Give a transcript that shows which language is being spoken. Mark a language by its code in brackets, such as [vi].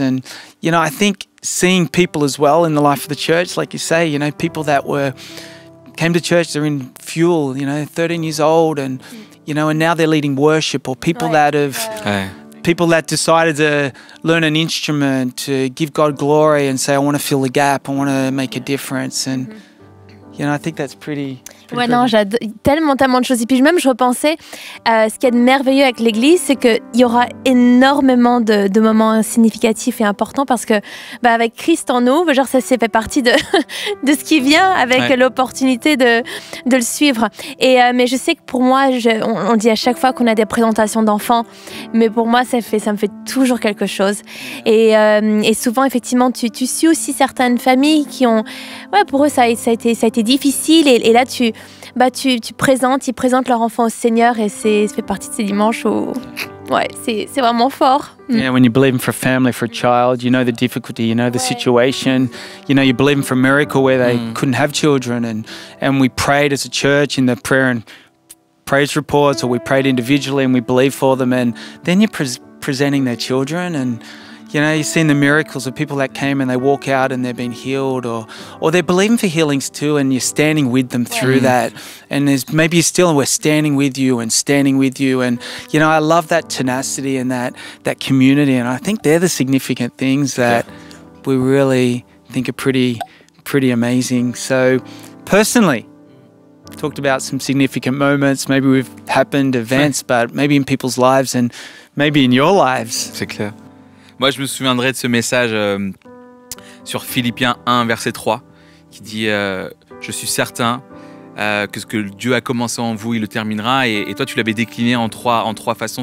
[en] And, you know, I think seeing people as well in the life of the church, like you say, you know, people that came to church, they're in fuel, you know, 13 years old and, you know, and now they're leading worship, or people that have, people that decided to learn an instrument to give God glory and say, I want to fill the gap, I want to make a difference. And, you know, I think that's pretty... [fr] Ouais, non, j'adore tellement de choses. Et puis même, je repensais, ce qu'il y a de merveilleux avec l'Église, c'est qu'il y aura énormément de moments significatifs et importants parce que, bah, avec Christ en nous, genre, ça s'est fait partie de ce qui vient avec l'opportunité de le suivre. Et, mais je sais que pour moi, on dit à chaque fois qu'on a des présentations d'enfants, mais pour moi, ça me fait toujours quelque chose. Et souvent, effectivement, tu suis aussi certaines familles qui ont... Ouais, pour eux, ça a été difficile. Et là, tu présentes leur enfant au Seigneur et ça fait partie de ces dimanches où c'est vraiment fort. [en] Yeah, when you believe for a family, for a child, you know the difficulty, you know the situation, you know you believe for a miracle where they couldn't have children, and we prayed as a church in the prayer and praise reports, or we prayed individually and we believed for them, and then you're presenting their children and you know, you've seen the miracles of people that came and they walk out and they've been healed, or they're believing for healings too, and you're standing with them through that. And there's maybe you're still, and we're standing with you and standing with you. And, you know, I love that tenacity and that community. And I think they're the significant things that we really think are pretty, pretty amazing. So personally, talked about some significant moments, maybe we've happened events, but maybe in people's lives and maybe in your lives. [fr] C'est clair. Moi, je me souviendrai de ce message sur Philippiens 1, verset 3, qui dit « Je suis certain que ce que Dieu a commencé en vous, il le terminera. » Et toi, tu l'avais décliné en trois façons.